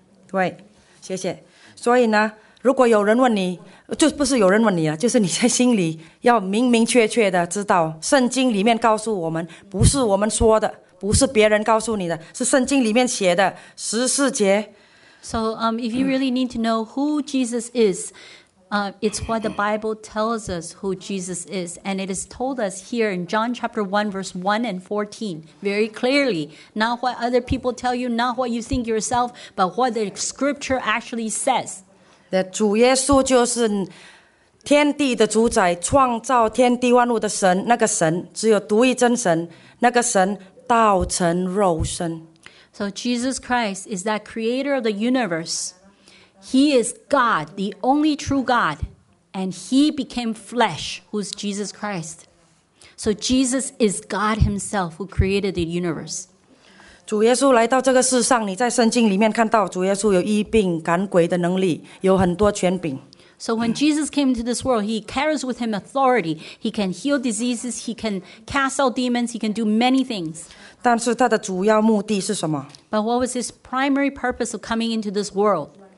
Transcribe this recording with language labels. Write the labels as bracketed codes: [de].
[zh] 对，谢谢。所以呢，如果有人问你，就不是有人问你了，就是你在心里要明明确确的知道，圣经里面告诉我们，不是我们说的，不是别人告诉你的，是圣经里面写的十四节。 [en] So, if you really need to know who Jesus is, it's what the Bible tells us who Jesus is, and it is told us here in John chapter 1 verse 1 and 14 very clearly, not what other people tell you, not what you think yourself, but what the scripture actually says. [zh] That 主耶稣就是天地的主宰，创造天地万物的神，那个神只有独一真神，那个神道成肉身。 [en] So Jesus Christ is that creator of the universe. He is God, the only true God, and he became flesh, who is Jesus Christ. So Jesus is God himself who created the universe. [zh] 主耶稣来到这个世上，你在圣经里面看到主耶稣有医病、赶鬼的能力，有很多权柄。 [en] So when Jesus came into this world, he carries with him authority. He can heal diseases, he can cast out demons, he can do many things. [zh] 但是他的主要目的是什么？ [en] But what was his primary purpose of coming into this world?